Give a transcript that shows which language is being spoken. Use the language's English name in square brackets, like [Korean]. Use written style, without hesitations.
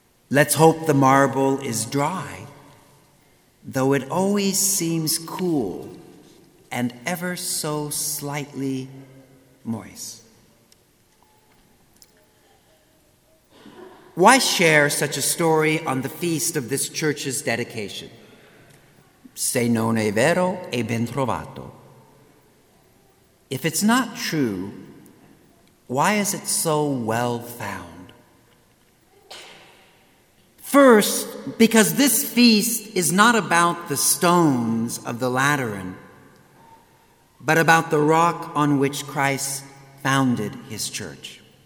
[English] Let's hope the marble is dry, though it always seems cool and ever so slightly moist. Why share such a story on the feast of this church's dedication? [Italian] Se non è vero, è ben trovato. [English] If it's not true, why is it so well found? First, because this feast is not about the stones of the Lateran, but about the rock on which Christ founded his church.